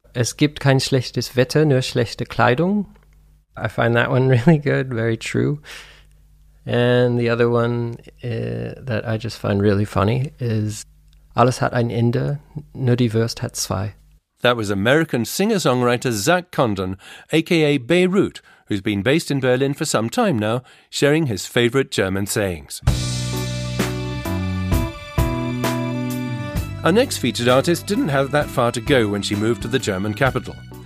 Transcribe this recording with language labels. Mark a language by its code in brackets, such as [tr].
[de] Es gibt kein schlechtes Wetter, nur schlechte Kleidung. [en] I find that one really good, very true. And the other one that I just find really funny is, [de] Alles hat ein Ende, nur die Wurst hat zwei. [en] That was American singer-songwriter Zach Condon, a.k.a. Beirut, who's been based in Berlin for some time now, sharing his favourite German sayings. Our next featured artist didn't have that far to go when she moved to the German capital.